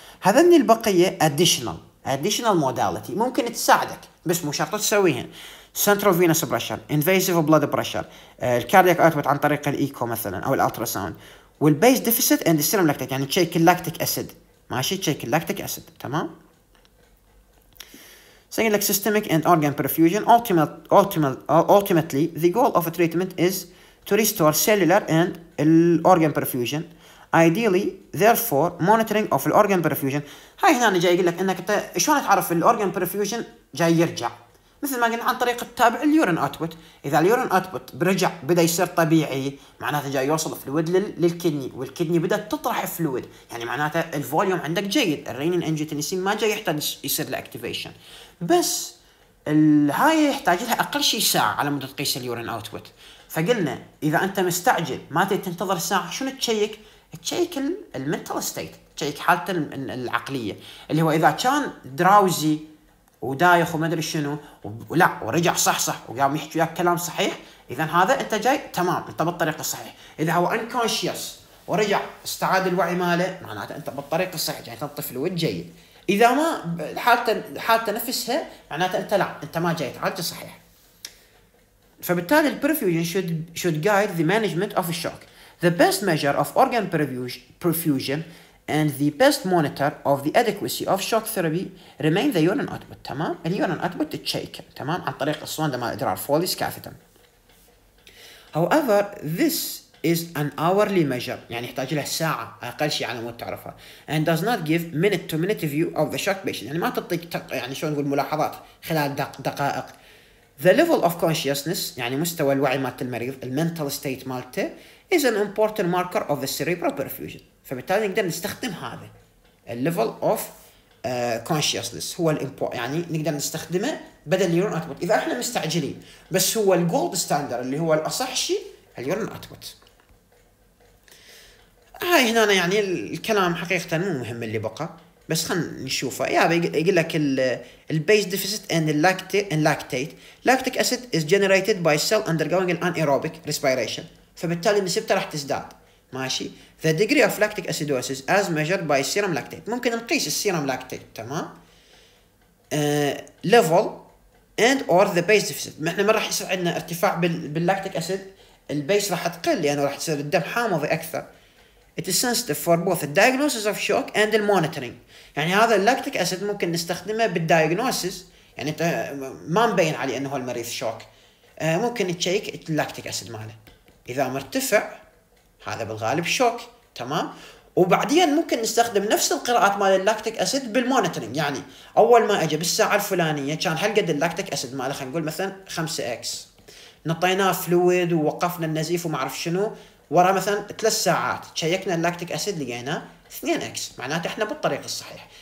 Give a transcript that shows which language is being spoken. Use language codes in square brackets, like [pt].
[ar] هذني البقية [en] additional modality [ar] ممكن تساعدك بس مو شرط تسويهن. سنترال فينوس برشر، انفيسيف بلد برشر، الكاردياك أتبول عن طريق الإيكو مثلا أو الألتراساوند، والبيس ديفيسيت اند السيرم لاكتيك يعني تشيك اللاكتيك أسيد، ماشي تشيك اللاكتيك أسيد تمام. سيقول لك [en] systemic and organ perfusion ultimately the goal of a treatment is to restore cellular and organ perfusion ideally therefore monitoring of the organ perfusion. [ar] هاي هنا أنا جاي يقول لك انك شلون تعرف الorgan perfusion جاي يرجع مثل ما قلنا عن طريق التابع اليورين اوتبوت. اذا اليورين اوتبوت برجع بدا يصير طبيعي معناته جاي يوصل فلويد للكدني والكدني بدات تطرح فلويد، يعني معناته الفوليوم عندك جيد، الرينين انجيوتنسين ما جاي يحتاج يصير لاكتيفيشن، بس هاي يحتاج لها اقل شيء ساعه على مدى تقيس اليورين اوتبوت. فقلنا اذا انت مستعجل ما تنتظر ساعه شنو تشيك؟ تشيك المنتال ستيت، تشيك حالته العقليه اللي هو اذا كان دراوزي ودايخ وما ادري شنو ولا ورجع صحصح وقام يحكي وياك كلام صحيح، اذا هذا انت جاي تمام انت بالطريق الصحيح. اذا هو انكونشس ورجع استعاد الوعي ماله معناته انت بالطريق الصحيح جاي تنطي فلويد جيد. اذا ما حالته نفسها معناته انت لا انت ما جاي تعالج صحيح. فبالتالي البرفيوجن [en] should guide the management of a shock. The best measure of organ perfusion and the best monitor of the adequacy of shock therapy remain the urine output. [ar] تمام؟ اليورين أوتبوت تشيك تمام؟ عن طريق الصوندة مال إدرار فوليس كاثيتر. [en] However, this is an hourly measure. [ar] يعني يحتاج لها ساعة أقل شيء على مود تعرفها. [en] And does not give minute-to-minute view of the shock patient. [ar] يعني ما تعطيك يعني شلون نقول ملاحظات خلال دقائق. [en] The level of consciousness [ar] يعني مستوى الوعي مالت المريض الـ [en] mental state [ar] مالته [en] is an important marker of the cerebral perfusion. [ar] فبالتالي نقدر نستخدم هذا الليفل اوف كونشسنس هو الامبو يعني نقدر نستخدمه بدل اليورين اوتبوت اذا احنا مستعجلين، بس هو الجولد ستاندر اللي هو الاصح شيء اليورين اوتبوت. هاي هنا أنا يعني الكلام حقيقه مو مهم اللي بقى بس خلينا نشوفه. يا يقول لك [en] البيز deficit and اللاكتيت lactic acid is generated by cell undergoing anaerobic respiration, [ar] فبالتالي نسبته راح تزداد ماشي. [en] The degree of lactic acidosis as measured by serum lactate. [ar] ممكن نقيس السيرم لاكتيت تمام. [en] Level and or the base deficit. [ar] ما احنا ما راح يصير عندنا ارتفاع باللاكتيك اسيد، البيس راح تقل لانه يعني راح يصير الدم حامض اكثر. [en] It is sensitive for both the diagnosis of shock and the monitoring. [ar] يعني هذا اللاكتيك اسيد ممكن نستخدمه بالدايجنوسيس، يعني ما مبين عليه انه هو المريض شوك. ممكن تشيك اللاكتيك اسيد ماله. اذا مرتفع هذا بالغالب شوك تمام. وبعدين ممكن نستخدم نفس القراءات مال اللاكتيك اسيد بالمونيتورنج، يعني اول ما اجى بالساعه الفلانيه كان هل قد اللاكتيك اسيد ماله خلينا نقول مثلا 5x، نطيناه فلويد ووقفنا النزيف وما اعرف شنو، ورا مثلا 3 ساعات شيكنا اللاكتيك اسيد لقينا 2x، معناته احنا بالطريق الصحيح.